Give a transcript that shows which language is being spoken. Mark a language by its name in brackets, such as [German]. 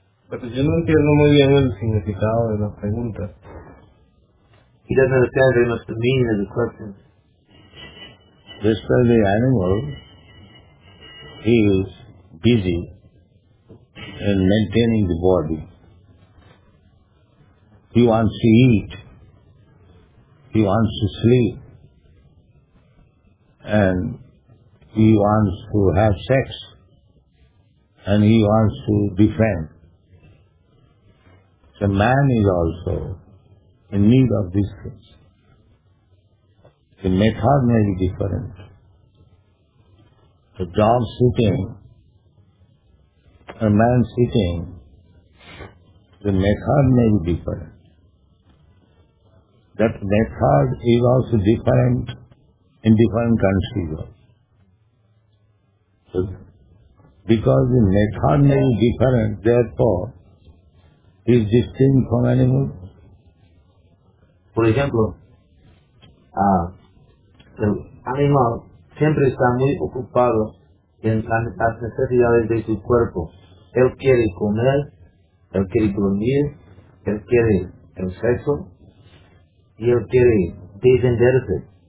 [Spanish] Pero yo no entiendo muy bien el significado de las preguntas. [English] He doesn't understand very much the meaning of the questions. Just as the animal, he is busy in maintaining the body. He wants to eat. He wants to sleep. And he wants to have sex. And he wants to defend. The man is also in need of these things. The method may be different. The dog sitting, a man sitting, the method may be different. That method is also different in different countries. So, because the method may be different, therefore, is distinct from animal. [Spanish] Por ejemplo, el animal siempre está muy ocupado en las necesidades de su cuerpo. Él quiere comer, él quiere dormir, él quiere el sexo y él quiere defenderse.